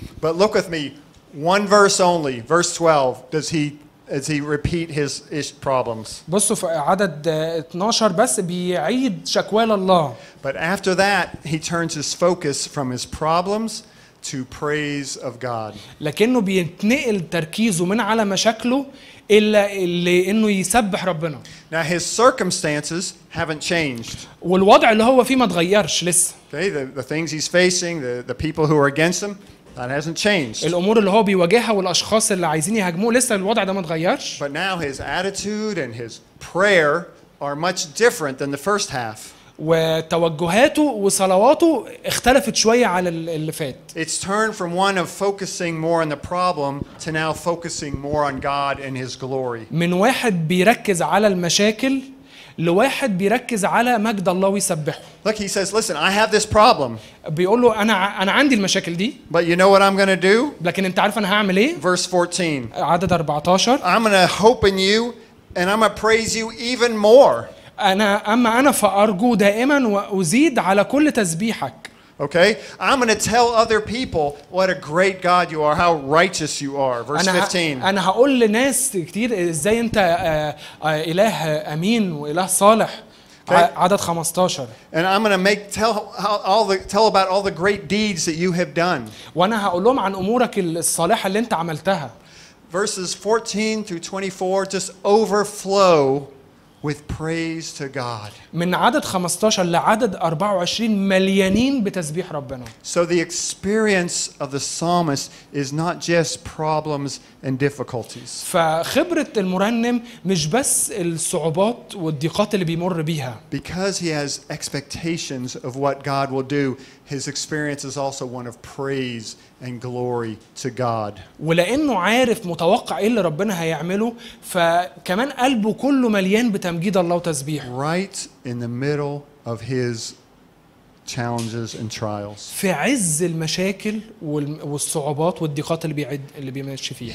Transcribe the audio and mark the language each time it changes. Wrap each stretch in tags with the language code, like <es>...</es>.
<en>But look with me, one verse only, verse 12, does he repeat his problems.</en> <ar>بصوا في عدد 12 بس بيعيد شكواه لله.</ar> <en>But after that he turns his focus from his problems to praise of God.</en> <ar>لكنه بينتقل تركيزه من على مشاكله إلا اللي إنه يسبح ربنا.</ar> <en>Now his circumstances haven't changed.</en> <ar>والوضع اللي هو فيه ما تغيرش لسه.</ar> <en>Okay, the things he's facing, the people who are against him, that hasn't changed.</en> <ar>الأمور اللي هو بيواجهها والأشخاص اللي عايزين يهاجموه لسه الوضع ده ما تغيرش.</ar> <en>But now his attitude and his prayer are much different than the first half.</en> <ar>وتوجهاته وصلواته اختلفت شوية على اللي فات.</ar> <en>It's turned from one of focusing more on the problem to now focusing more on God and His glory.</en> <ar>من واحد بيركز على المشاكل لواحد بيركز على مجد الله ويسبحه.</ar> <en>Look, he says, listen, I have this problem.</en> <ar>بيقول له أنا عندي المشاكل دي.</ar> <en>But you know what I'm going to do?</en> <ar>لكن أنت عارف أنا هعمل إيه؟</ar> <en>Verse 14.</en> <ar>عدد 14.</ar> <en>I'm going to hope in you and I'm going to praise you even more.</en> <ar>أنا أما أنا فأرجو دائما وأزيد على كل تسبيحك.</ar> <en>Okay, I'm going to tell other people what a great God you are, how righteous you are. Verse 15.</en> <ar>أنا هقول لناس كتير إزاي أنت إله أمين وإله صالح. Okay. عدد 15.</ar> <en>And I'm going to make tell about all the great deeds that you have done.</en> <ar>وأنا هقولهم عن أمورك الصالحة اللي أنت عملتها.</ar> <en>Verses 14 through 24 just overflow with praise to God.</en> <ar>من عدد 15 لعدد 24 مليانين بتسبيح ربنا.</ar> <en>So the experience of the psalmist is not just problems and difficulties.</en> <ar>فخبرة المرنم مش بس الصعوبات والضيقات اللي بيمر بيها.</ar> <en>Because he has expectations of what God will do, his experience is also one of praise and glory to God.</en> <ar>ولأنه عارف متوقع إيه اللي ربنا هيعمله، فكمان قلبه كله مليان بتمجيد الله وتسبيحه.</ar> <en>Right in the middle of his challenges and trials.</en> <ar>في عز المشاكل والصعوبات والضيقات اللي بيمشي فيها.</ar>